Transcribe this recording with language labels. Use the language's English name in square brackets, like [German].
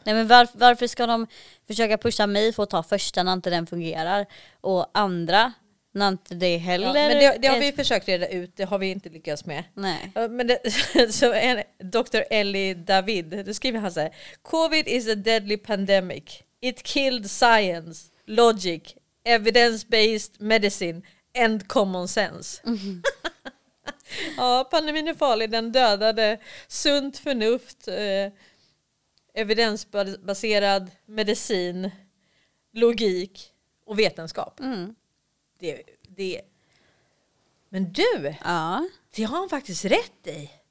[Swedish] Nej, men varför ska de försöka pusha mig för att ta första när inte den fungerar? Och andra... Nej, inte det heller. Ja, men det har vi försökt reda ut. Det har vi inte lyckats med. Nej. Men Dr. [English] Ellie David, [Swedish] då skriver han så här: [English] COVID is a deadly pandemic. It killed science, logic, evidence-based medicine and common sense. Mm-hmm. [Swedish] Ja, pandemin är farlig. Den dödade sunt förnuft, evidensbaserad medicin, logik och vetenskap. Mm. Det. Men du, ja. Det har han faktiskt rätt i.